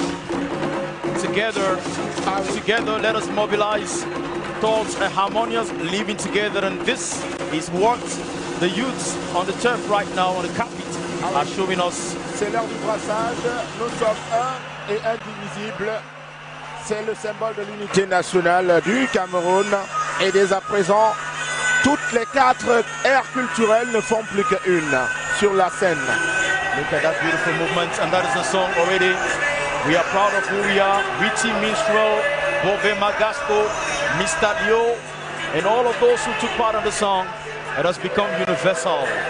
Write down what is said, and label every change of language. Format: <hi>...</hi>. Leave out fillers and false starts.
<en>Let us mobilize towards a harmonious living together, and this is what the youths on the turf right now on the carpet are showing us.</en> <fr>C'est l'heure du brassage, nous sommes un et indivisible. C'est le symbole de l'unité nationale du Cameroun, et dès à présent toutes les quatre aires culturelles ne font plus qu'une sur la scène.</fr> <en>Look at that beautiful movement, and that is a song already. We are proud of who we are. Witty minstrel Bobé Magasco, Mr. Leo, and all of those who took part in the song, it has become universal.</en>